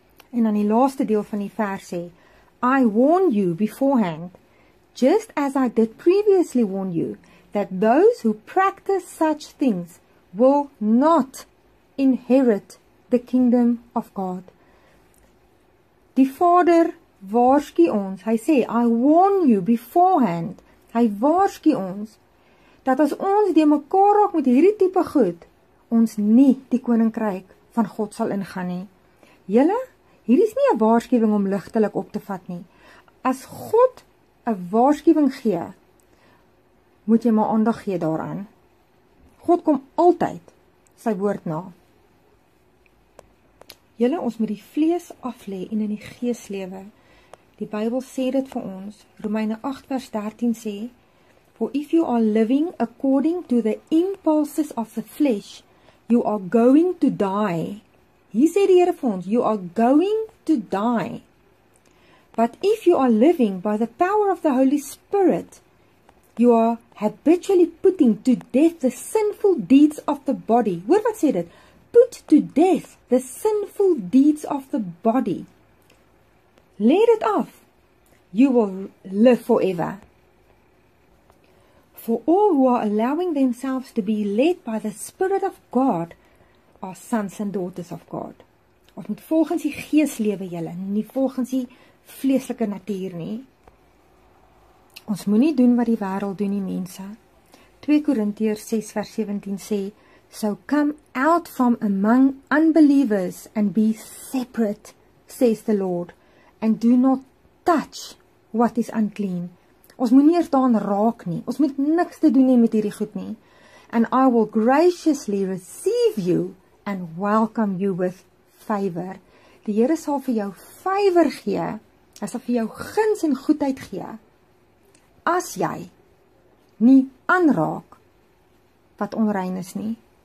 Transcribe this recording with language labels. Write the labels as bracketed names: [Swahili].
[Afrikaans] En dan die laaste deel van die vers sê, [English] "I warn you beforehand, just as I did previously warn you, that those who practice such things will not inherit the kingdom of God." [Afrikaans] Die Vader waarsku ons, hy sê, [English] "I warn you beforehand," [Afrikaans] hy waarsku ons, dat as ons die mekaar raak met hierdie tipe goed, ons nie die koninkryk van God sal ingaan nie. Julle, hierdie is nie 'n waarskuwing om ligtelik op te vat nie. As God 'n waarskuwing gee, moet jy maar aandag gee daaraan. God kom altyd sy woord na. Julle, ons moet die vlees af lê en in die gees lewe. Die Bybel sê dit vir ons. Romeine 8 vers 13 sê, [English] "For if you are living according to the impulses of the flesh, you are going to die." [Afrikaans] Hier sê die Here vir ons, [English] "You are going to die." But if you are living by the power of the Holy Spirit, you are habitually putting to death the sinful deeds of the body. [Afrikaans] Hoor wat sê dit? [English] Put to death the sinful deeds of the body. Let it off. You will live forever. For all who are allowing themselves to be led by the Spirit of God are sons and daughters of God. [Afrikaans] Ons moet volgens die gees lewe julle, nie volgens die vleeslike natuur nie. Ons moet nie doen wat die wêreld doen nie, mense. 2 Korintiërs 6 vers 17 sê, [English] so come out from among unbelievers and be separate, says the Lord, and do not touch what is unclean. [Afrikaans] Ons moet nie eers daan raak nie. Ons moet niks te doen nie met hierdie goed nie. [English] And I will graciously receive you and welcome you with favor. [Afrikaans] Die Here sal vir jou favor gee. Hy sal vir jou guns en goedheid gee. As jy nie aanraak wat onrein is nie.